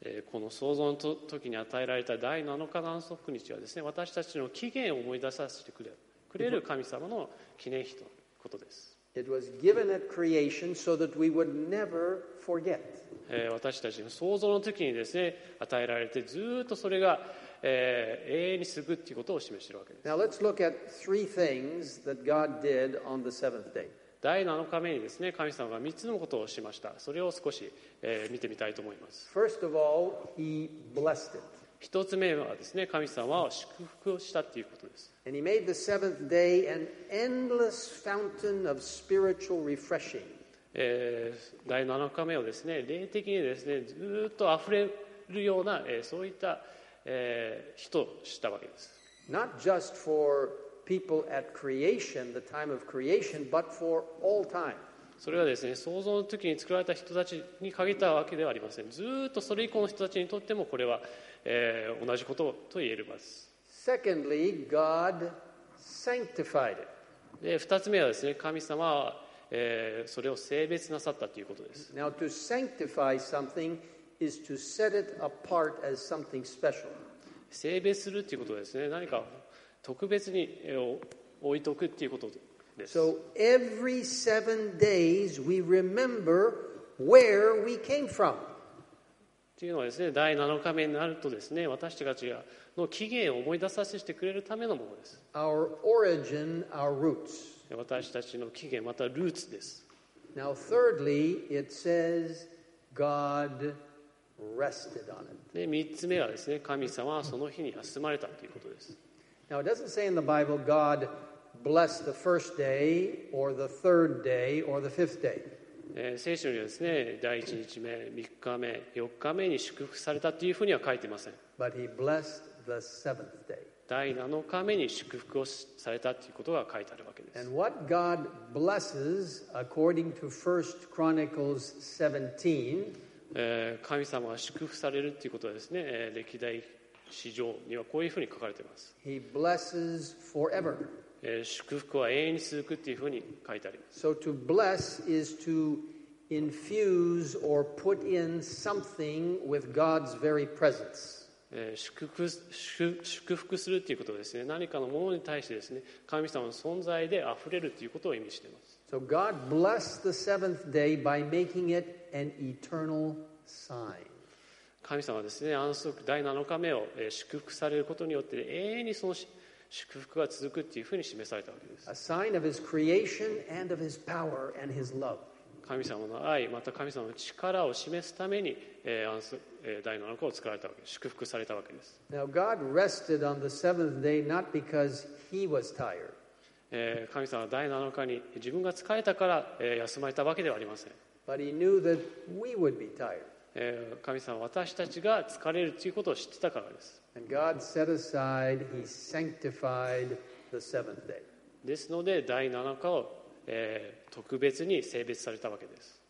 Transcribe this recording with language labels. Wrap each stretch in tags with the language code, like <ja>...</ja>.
<ja>この創造の時に与えられた第7日の安息日はですね、私たちの起源を思い出させてくれる神様の記念日ということです。</ja> <en>It was given at creation so that we would never forget.</en> <ja>私たちの創造の時にですね、与えられてずっとそれが永遠に続くということを示しているわけです。</ja> <en>Now let's look at three things that God did on the seventh day.</en> <ja>第7日目にですね、神様が3つのことをしました。それを少し、見てみたいと思います。</ja> <en>First of all, he blessed it.</en> <ja>一つ目はですね、神様は祝福をしたということです。</ja> <en>And he made the seventh day an endless fountain of spiritual refreshing.</en> <ja>第7日目をですね、霊的にですね、ずっと溢れるような、そういった、日としたわけです。</ja> <en>Not just for people at creation, the time of creation, but for all time.</en> <ja>それはですね、創造の時に作られた人たちに限ったわけではありません。ずっとそれ以降の人たちにとってもこれは、同じことと言えます。</ja> <en>Secondly, God sanctified it.</en> <ja>で、二つ目はですね、神様は、それを聖別なさったということです。</ja> <en>Now, to sanctify something is to set it apart as something special.</en> <ja>聖別するということですね。何か特別に置いておくということです。</ja> <en>So every seven days we remember where we came from.</en> <ja>というのはですね、第7日目になるとですね、私たちの起源を思い出させてくれるためのものです。</ja> <en>Our origin, our roots.</en> <ja>私たちの起源、またルーツです。</ja> <en>Now thirdly, it says God rested on it.</en> <ja>で、3つ目はですね、神様はその日に休まれたということです。</ja> <en>Now, it doesn't say in the Bible God blessed the first day or the third day or the fifth day.</en> <ja>聖書にはですね、第1日目、3日目、4日目に祝福されたというふうには書いていません。</ja> <en>But he blessed the seventh day.</en> <ja>第7日目に祝福をされたということが書いてあるわけです。</ja> <en>And what God blesses, according to 1 Chronicles 17,</en> <ja>神様が祝福されるということはですね、歴代史上にはこういうふうに書かれています。</ja> <en>He blesses forever.</en> <ja>祝福は永遠に続くというふうに書いてあります。</ja> <en>So to bless is to infuse or put in something with God's very presence.</en> <ja>祝福するということですね。何かのものに対してですね、神様の存在で溢れるということを意味しています。</ja> <en>So God blessed the seventh day by making it an eternal sign.</en> <ja>神様はですね、安息第7日目を祝福されることによって永遠にその祝福が続くというふうに示されたわけです。</ja> <en>A sign of his creation and of his power and his love.</en> <ja>神様の愛、また神様の力を示すために第7日を作られたわけです。祝福されたわけです。</ja> <en>Now God rested on the seventh day not because he was tired.</en> <ja>神様は第7日に自分が疲れたから休まれたわけではありません。</ja> <en>But he knew that we would be tired.</en> <ja>神様は私たちが疲れるということを知ってたからです。</ja> <en>And God set aside, He sanctified the seventh day.</en> <ja>ですので第7日を、特別に聖別されたわけです。</ja>